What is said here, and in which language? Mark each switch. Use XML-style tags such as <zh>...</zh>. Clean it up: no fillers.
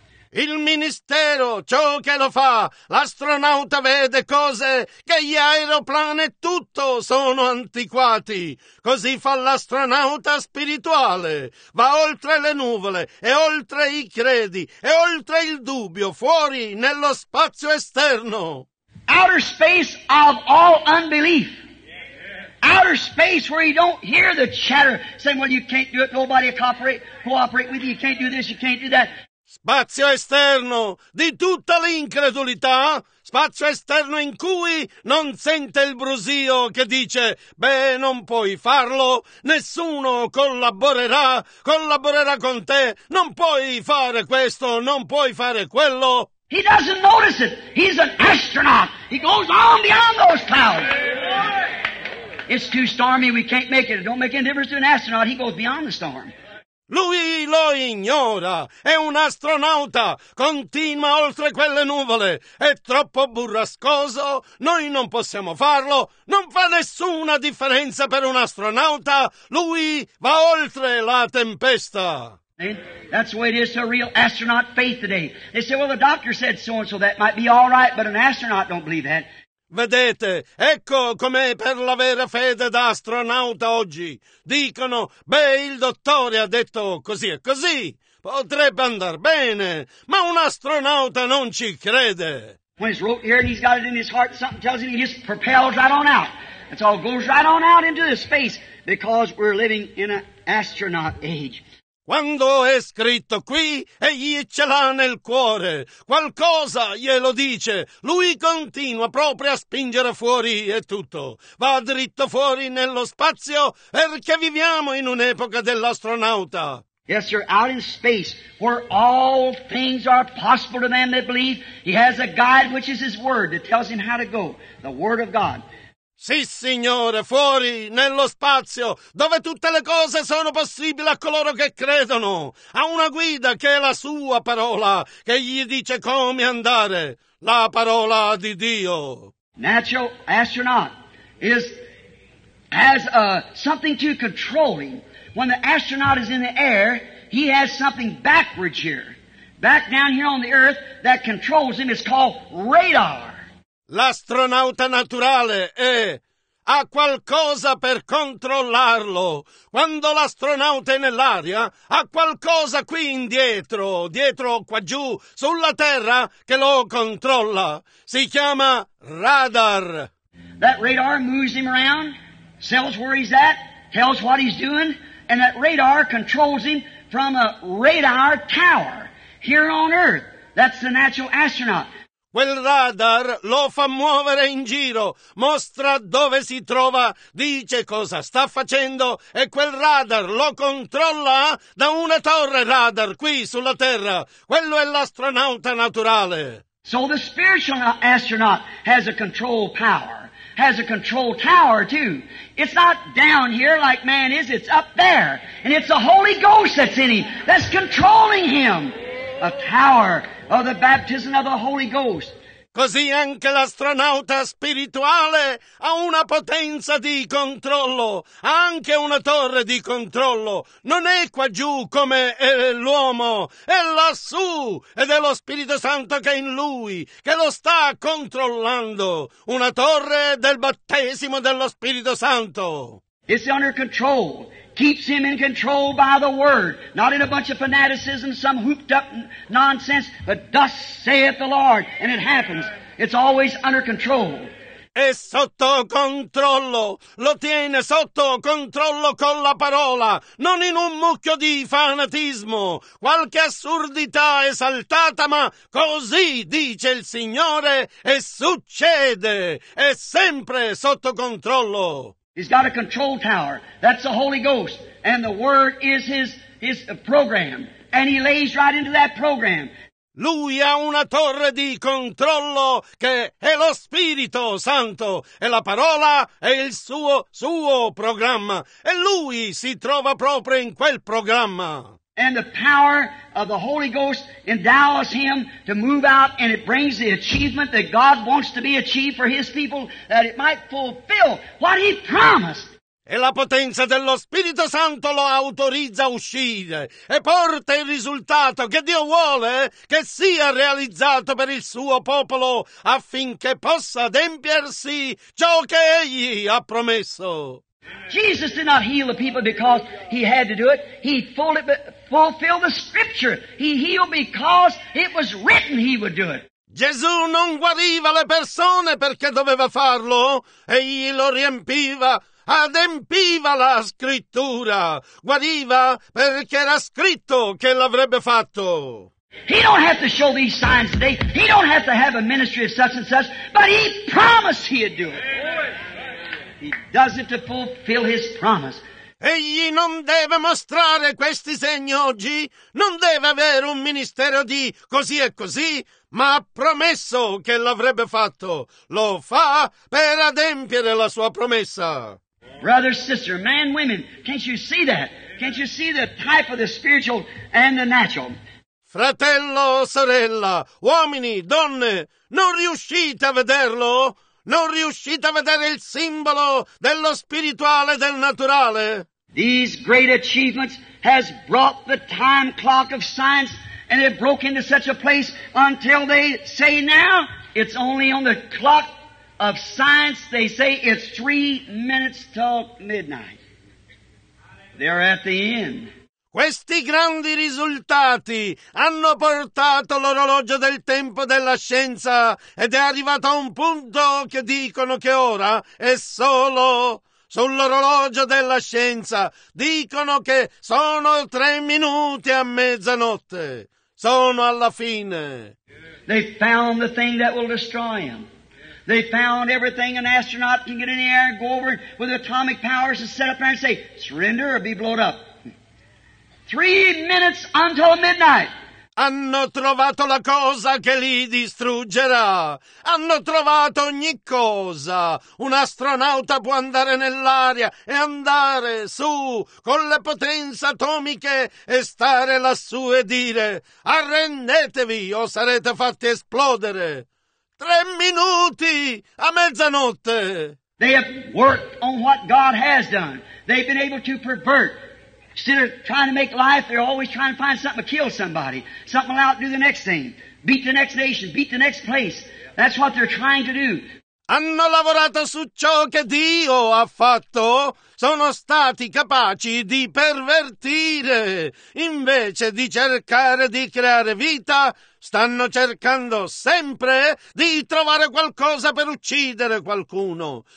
<it>Il ministero, ciò che lo fa, l'astronauta vede cose che gli aeroplani e tutto sono antiquati. Così fa l'astronauta spirituale. Va oltre le nuvole e oltre i credi e oltre il dubbio, fuori nello spazio esterno.</it> <en>Outer space of all unbelief. Outer space where you don't hear the chatter saying, well, you can't do it, nobody will cooperate with you, you can't do this, you can't do that.</en> <it>Spazio esterno di tutta l'incredulità, spazio esterno in cui non sente il brusio che dice, beh, non puoi farlo, nessuno collaborerà con te, non puoi fare questo, non puoi fare quello.</it> <en>He doesn't notice it, he's an astronaut, he goes on beyond those clouds. It's too stormy, we can't make it. It don't make any difference to an astronaut. He goes beyond the storm.</en> <it>Lui lo ignora. È un astronauta. Continua oltre quelle nuvole. È troppo burrascoso. Noi non possiamo farlo. Non fa nessuna differenza per un astronauta. Lui va oltre la tempesta.</it> <en>And that's the way it is to a real astronaut faith today. They say, well, the doctor said so-and-so. That might be all right, but an astronaut don't believe that.</en> <it>Vedete, ecco com'è per la vera fede da astronauta oggi. Dicono, beh, il dottore ha detto così e così. Potrebbe andar bene, ma un astronauta non ci crede.</it> <en>When he's wrote here and he's got it in his heart, something tells him he just propels right on out. That's all, goes right on out into the space, because we're living in an astronaut age.</en> <it>Quando è scritto qui, egli ce l'ha nel cuore. Qualcosa glielo dice. Lui continua proprio a spingere fuori e tutto. Va dritto fuori nello spazio perché viviamo in un'epoca dell'astronauta.</it> <en>Yes, sir, out in space, where all things are possible to them that believe, he has a guide which is his word that tells him how to go, the word of God.</en> <it>Sì, Signore, fuori, nello spazio, dove tutte le cose sono possibili a coloro che credono. Ha una guida che è la sua parola, che gli dice come andare. La parola di Dio.</it> <en>Natural astronaut is has something to control him. When the astronaut is in the air, he has something backwards here. Back down here on the earth that controls him is called radar.</en> <it>L'astronauta naturale ha qualcosa per controllarlo. Quando l'astronauta è nell'aria, ha qualcosa qui indietro, dietro o qua giù, sulla terra, che lo controlla. Si chiama radar.</it> <en>That radar moves him around, tells where he's at, tells what he's doing, and that radar controls him from a radar tower here on Earth. That's the natural astronaut.</en> <it>Quel radar lo fa muovere in giro, mostra dove si trova, dice cosa sta facendo e quel radar lo controlla da una torre radar qui sulla Terra. Quello è l'astronauta naturale.</it> <en>So the spiritual astronaut has a control power, has a control tower too. It's not down here like man is, it's up there. And it's the Holy Ghost that's in him, that's controlling him. A tower of the baptism of the Holy Ghost.</en> <it>Così anche l'astronauta spirituale ha una potenza di controllo, ha anche una torre di controllo. Non è qua giù come è l'uomo, è lassù ed è lo Spirito Santo che è in lui, che lo sta controllando. Una torre del battesimo dello Spirito Santo.</it> <en>It's under control. Keeps him in control by the word, not in a bunch of fanaticism, some hooped up nonsense, but thus saith the Lord, and it happens. It's always under control.</en> <it>È sotto controllo, lo tiene sotto controllo con la parola, non in un mucchio di fanatismo, qualche assurdità esaltata, ma così dice il Signore, e succede, è sempre sotto controllo.</it> <en>He's got a control tower. That's the Holy Ghost. And the Word is his program. and he lays right into that program.</en> <it>Lui ha una torre di controllo che è lo Spirito Santo e la parola è il suo programma e lui si trova proprio in quel programma.</it> <en>And the power of the Holy Ghost endows him to move out, and it brings the achievement that God wants to be achieved for his people, that it might fulfill what he promised.</en> <it>E la potenza dello Spirito Santo lo autorizza a uscire e porta il risultato che Dio vuole che sia realizzato per il suo popolo affinché possa adempiersi ciò che egli ha promesso.</it> <en>Jesus did not heal the people because he had to do it. He fulfilled the scripture. He healed because it was written he would do it.</en> <it>Gesù non guariva le persone perché doveva farlo. Egli lo riempiva, adempiva la scrittura. Guariva perché era scritto che l'avrebbe fatto.</it> <en>He don't have to show these signs today. He don't have a ministry of such and such. But he promised he'd do it. He does it to fulfill his promise.</en> <it>Egli non deve mostrare questi segni oggi, non deve avere un ministero di così e così, ma ha promesso che l'avrebbe fatto. Lo fa per adempiere la sua promessa.</it> <en>Brother, sister, man, women, can't you see that? Can't you see the type of the spiritual and the natural?</en> <it>Fratello, sorella, uomini, donne, non riuscite a vederlo? Non riuscite a vedere il simbolo dello spirituale e del naturale?</it> <en>These great achievements has brought the time clock of science and it broke into such a place until they say now it's only on the clock of science they say it's 3 minutes till midnight. They're at the end.</en> <it>Questi grandi risultati hanno portato l'orologio del tempo della scienza ed è arrivato a un punto che dicono che ora è solo sull'orologio della scienza. Dicono che sono 3 minuti a mezzanotte. Sono alla fine.</it> <en>They found the thing that will destroy him. They found everything an astronaut can get in the air and go over with atomic powers and set up there and say, surrender or be blown up. 3 minutes until midnight.</en> <it>Hanno trovato la cosa che li distruggerà. Hanno trovato ogni cosa. Un astronauta può andare nell'aria e andare su con le potenze atomiche e stare lassù e dire arrendetevi o sarete fatti esplodere. 3 minuti a mezzanotte.</it> <en>They have worked on what God has done. They've been able to pervert. Instead of trying to make life, they're always trying to find something to kill somebody. Something to outdo the next thing. Beat the next nation. Beat the next place. That's what they're trying to do.</en> <it>Hanno lavorato su ciò che Dio ha fatto. Sono stati capaci di pervertire. Invece di cercare di creare vita, stanno cercando sempre di trovare qualcosa per uccidere qualcuno.</it>